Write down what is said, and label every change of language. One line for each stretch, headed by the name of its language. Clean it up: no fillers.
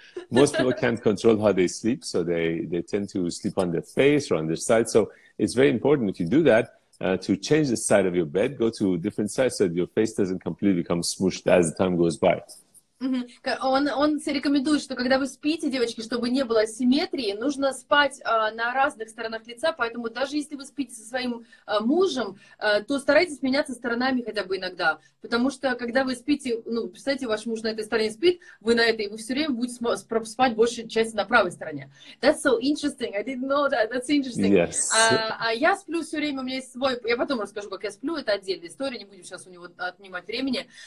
English: Most people can't control how they sleep, so they tend to sleep on their face or on their side. So it's very important if you do that to change the side of your bed, go to different sides so that your face doesn't completely become smooshed as the time goes by.
Russian: Он рекомендует, что когда вы спите, девочки, чтобы не было асимметрии, нужно спать на разных сторонах лица, поэтому даже если вы спите со своим мужем, то старайтесь меняться сторонами хотя бы иногда, потому что когда вы спите, ну, представьте, ваш муж на этой стороне спит, вы на этой, вы все время будете спать большую часть на правой стороне.
English: That's so interesting, I didn't know that, that's interesting. Yes.
Russian: Я сплю все время, у меня есть свой, я потом расскажу, как я сплю, это отдельная история, не будем сейчас у него отнимать времени.